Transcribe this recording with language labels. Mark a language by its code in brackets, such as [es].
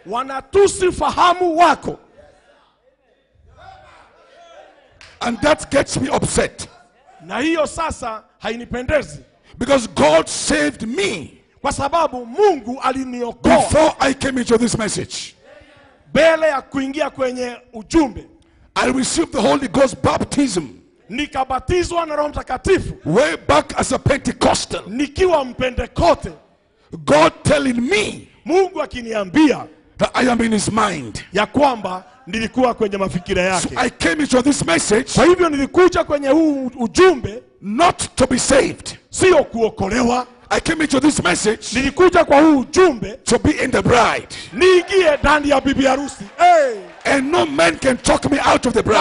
[sw] Wanatusi fahamu wako. [en] And that gets me upset. [sw] Na hiyo sasa hainipendezi. [en] Because God saved me. [sw] Kwa sababu Mungu aliniokoa. [en] Before I came into this message. [sw] Bele ya kuingia kwenye ujumbe. [en] I received the Holy Ghost baptism. [sw] Nikabatizwa na Roho Mtakatifu. [en] Way back as a Pentecostal. [sw] Nikiwa mpendekote. [en] God telling me. [sw] Mungu akiniambia. [en] That I am in his mind. [sw] Ya kwamba nilikuwa kwenye mafikira yake. [en] So I came into this message. [sw] Kwa hivyo nilikuja kwenye huu ujumbe. [en] Not to be saved. [sw] Sio kuokolewa. [en] I came into this message. [sw] Nilikuja kwa huu ujumbe. [en] To be in the bride. [sw] Niingie ndani ya bibi harusi. Hey. [en] And no man can talk me out of the bride.